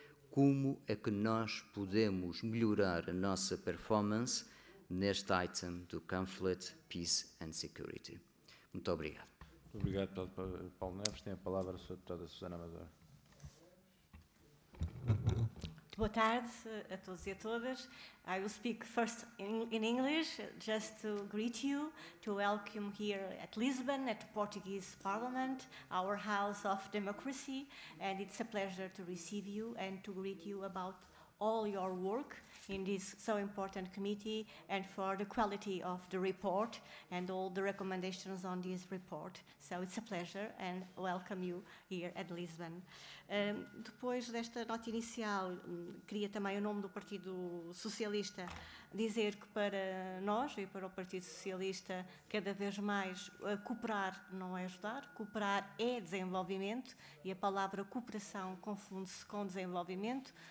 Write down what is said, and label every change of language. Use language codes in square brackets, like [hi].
[pt] Como é que nós podemos melhorar a nossa performance neste item do Conflict, Peace and Security? Muito obrigado. Muito obrigado, Paulo Neves. Tem a palavra a sua deputada Susana Amador. Boa tarde a todos e a todas. [en] I will speak first in English, just to greet you, to welcome here at Lisbon, at the Portuguese Parliament, our House of Democracy, and it's a pleasure to receive you and to greet you about all your work in this so important committee and for the quality of the report and all the recommendations on this report. So it's a pleasure and welcome you here at Lisbon. [pt] Depois desta nota inicial, queria também, em nome do Partido Socialista, dizer que para nós e para o Partido Socialista, cada vez mais, cooperar não é ajudar, cooperar é desenvolvimento, e a palavra cooperação confunde-se com desenvolvimento.